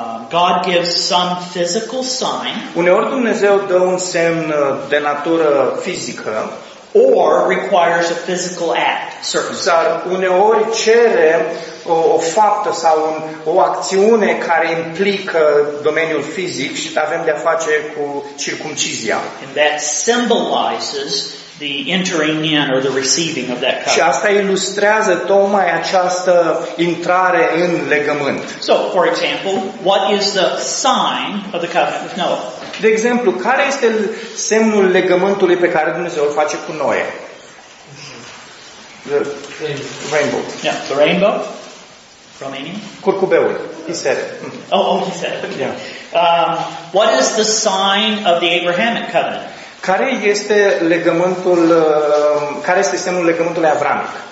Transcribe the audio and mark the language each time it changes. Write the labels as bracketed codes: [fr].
[en] God gives some physical sign. [ro] Uneori Dumnezeu dă un semn de natură fizică. [en] Or requires a physical act. [ro] Sau uneori cere o faptă sau o acțiune care implică domeniul fizic și avem de-a face cu circumcizia. [en] And that symbolizes the entering in or the receiving of that covenant. [ro] Și asta ilustrează tocmai această intrare în legământ. [en] So, for example, what is the sign of the covenant with Noah? [ro] De exemplu, care este semnul legământului pe care Dumnezeu îl face cu Noe? [en] The rainbow. Yeah, the rainbow. Romanian? [ro] Curcubeul. [en] He said it. Oh, he said it. Okay. Yeah. What is the sign of the Abrahamic covenant? [ro] Care este legământul care este semnul legământului avramic?